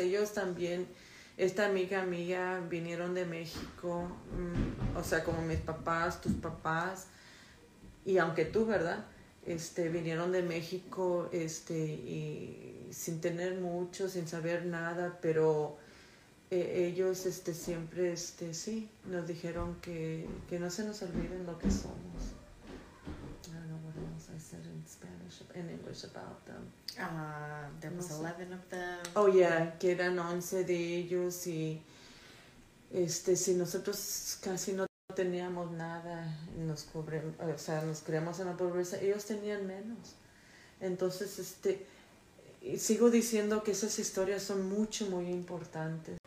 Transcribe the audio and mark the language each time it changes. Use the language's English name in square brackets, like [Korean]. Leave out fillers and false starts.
[Spanish] Ellos también, esta amiga mía, vinieron de México, o sea, como mis papás, tus papás, y aunque tú, ¿verdad?, vinieron de México y sin tener mucho, sin saber nada, pero ellos siempre sí nos dijeron que no se nos olviden lo que somos. [English] I don't know what else I said in Spanish, in English about them. There was 11 of them. Oh yeah, [Spanish] que eran 11 de ellos y si nosotros casi no teníamos nada, nos creamos en la pobreza, ellos tenían menos. Entonces y sigo diciendo que esas historias son mucho muy importantes.